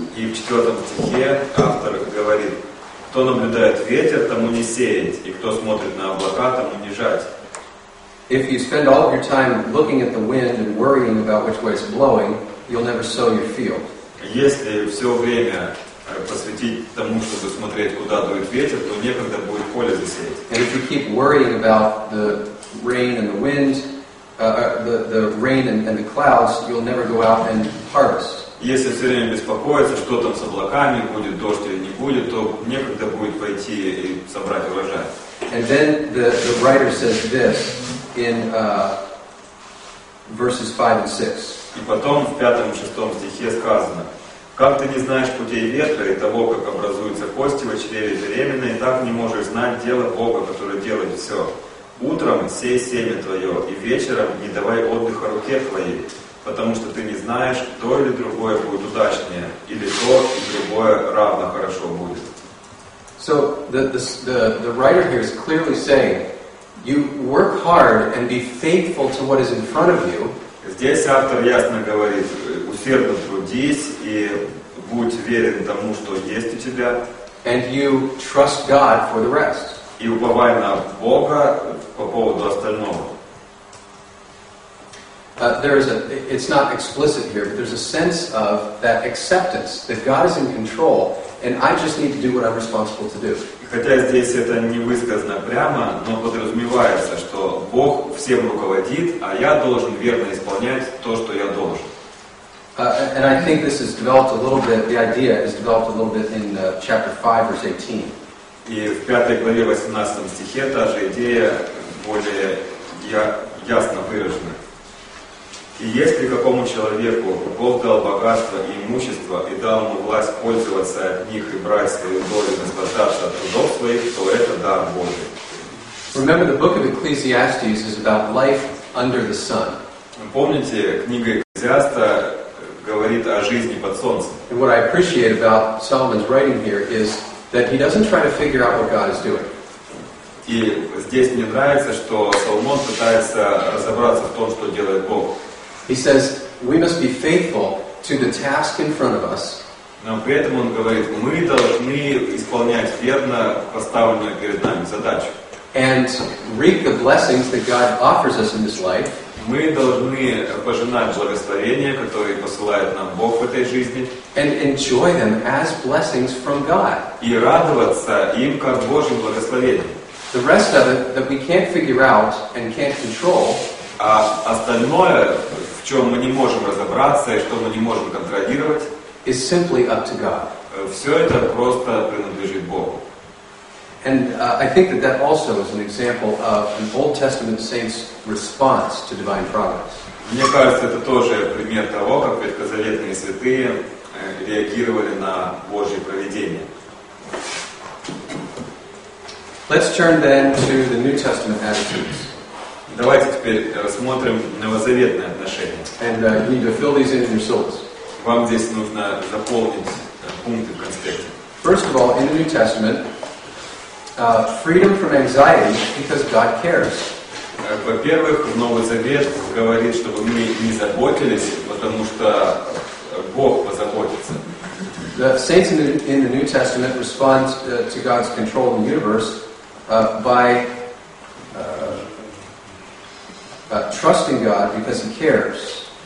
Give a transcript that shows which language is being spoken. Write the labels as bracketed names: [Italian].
[Russian] И в четвертом стихе автор говорит, кто наблюдает ветер, тому не сеять, и кто смотрит на облака, тому не жать. [English] If you spend all of your time looking at the wind and worrying about which way it's blowing, you'll never sow your field. [Russian] Если все время посвятить тому, чтобы смотреть, куда дует ветер, то некогда будет поле засеять. [English] And if you keep worrying about the rain and the wind, the rain and the clouds, you'll never go out and harvest. [Russian] Если все время беспокоиться, что там с облаками, будет дождь или не будет, то некогда будет пойти и собрать урожай. [English] And then the writer says this in verses 5 and 6. [Russian] И потом в 5 и 6 стихе сказано, как ты не знаешь путей ветра и того, как образуются кости в чреве беременной, так не можешь знать дело Бога, который делает все. Утром сей семя твое, и вечером не давай отдыха руке твоей, потому что ты не знаешь, то или другое будет удачнее, или то и другое равно хорошо будет. [English] So the writer here is clearly saying, You work hard and be faithful to what is in front of you. [Russian] Здесь автор ясно говорит: усердно трудись и будь верен тому, что есть у тебя. [English] And you trust God for the rest. [Russian] И уповай на Бога по поводу остального. [English] It's not explicit here, but there's a sense of that acceptance that God is in control, and I just need to do what I'm responsible to do. [Russian] Хотя здесь это не высказано прямо, но подразумевается, что Бог всем руководит, а я должен верно исполнять то, что я должен. [English] And I think this is developed a little bit. The idea is developed a little bit in chapter 5, verse 18. [Russian] И в 5 главе 18 стихе та же идея более ясно выражена. И если какому человеку Бог дал богатство и имущество и дал ему власть пользоваться от них и брать свою долю и наслаждаться от трудов своих, то это дар Божий. [English] Remember, the book of Ecclesiastes is about life under the sun. [Russian] Помните, книга Экклезиаста говорит о жизни под солнцем. [English] And what I appreciate about Solomon's writing here is that he doesn't try to figure out what God is doing. [Russian] И здесь мне нравится, что Соломон пытается разобраться в том, что делает Бог. [English] He says, we must be faithful to the task in front of us. [Russian] Но при этом он говорит, мы должны исполнять верно поставленную перед нами задачу. [English] And reap the blessings that God offers us in this life. [Russian] Мы должны пожинать благословения, которые посылает нам Бог в этой жизни. [English] And enjoy them as blessings from God. [Russian] И радоваться им как Божьим благословением. [English] The rest of it that we can't figure out and can't control. [Russian] А остальное, в чем мы не можем разобраться и что мы не можем контролировать, [English] is simply up to God. [Russian] Все это просто принадлежит Богу. [English] And I think that also is an example of an Old Testament saint's response to divine providence. [Russian] Мне кажется, это тоже пример того, как ветхозаветные святые реагировали на Божье провидение. [English] Let's turn then to the New Testament attitudes. [Russian] Давайте теперь рассмотрим новозаветные отношения. [English] And you need to fill these in your souls. [Russian] Вам здесь нужно заполнить пункты в конспекте. [English] First of all, in the New Testament, freedom from anxiety because God cares. [Russian] Во-первых, Новый Завет говорит, чтобы мы не заботились, потому что Бог позаботится. [English] The saints in the New Testament respond to God's control of the universe by trusting God because He cares.